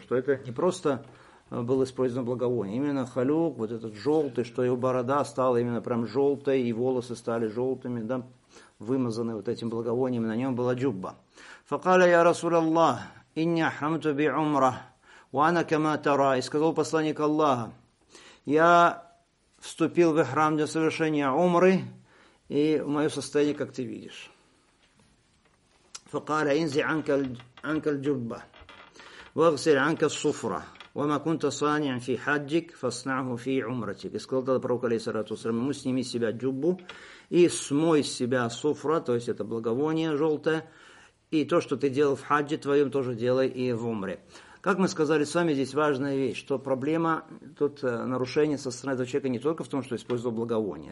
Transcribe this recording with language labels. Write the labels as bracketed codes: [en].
[ru] Что это не просто было использовано благовоние. Именно халюк, вот этот желтый, что его борода стала именно прям желтой, и волосы стали желтыми, да, вымазаны вот этим благовонием, на нем была джубба. [ar] Факаля я Расул Аллах, инни ахрамту би умра, ва ана кама тара, [ru] и сказал посланник Аллаха, я вступил в храм для совершения умры, и мое состояние, как ты видишь. [ar] Факаля инзи анка джубба, вагсиль анка суфра, وما كنت صانعا في حجك فاصنعه في عمرتك. [ru] Сказал тогда пророк, алейхиссалату вассалям, ему сними с себя джуббу и смой с себя суфра, то есть это благовоние желтое, и то, что ты делал в хаджи твоем, тоже делай и в умре. Как мы сказали с вами, здесь важная вещь, что проблема, тут нарушение со стороны этого человека не только в том, что использовал благовоние.